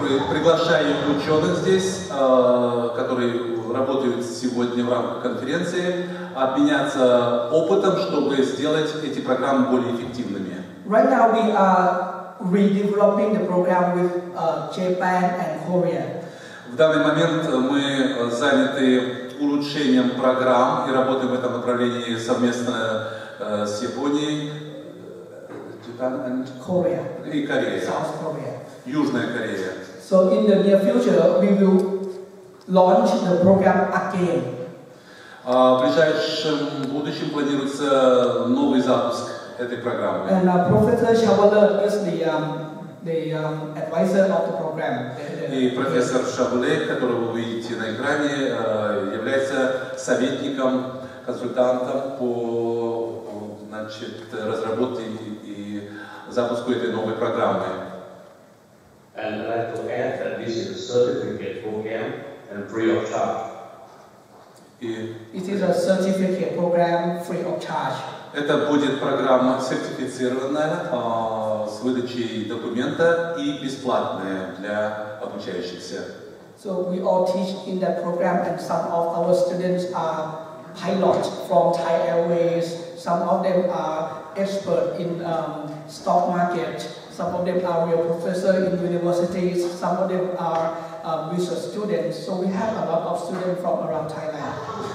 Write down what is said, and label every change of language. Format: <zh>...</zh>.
<ru>Приглашаю ученых здесь, которые работают сегодня в рамках конференции, обменяться опытом, чтобы сделать эти программы более эффективными.</ru> <en>Right now we are redeveloping the program with Japan and Korea.</en> <ru>В данный момент мы заняты улучшением программ и работаем в этом направлении совместно с Японией,</ru> <en>Japan and Korea.</en> <ru>И Корея.</ru> <en>South Korea.</en> <ru>Южная Корея.</ru> <en>So in the near future we will launch the program again.</en> <ru>В ближайшем будущем планируется новый запуск этой программы.</ru> <en>And Professor Shabala is the advisor of the program.</en> <ru>И профессор Шабле, которого вы видите на экране, является советником, консультантом по, значит, разработке и запуску этой новой программы.</ru> <en>And I'd like to add that this is a certificate program and free of charge. It is a certificate program free of charge.</en> <ru>Это будет программа сертифицированная, с выдачей документа и бесплатная для обучающихся.</ru> <en>So we all teach in that program and some of our students are pilots from Thai Airways, some of them are experts in stock market, some of them are real professors in universities, some of them are research students, so we have a lot of students from around Thailand.</en>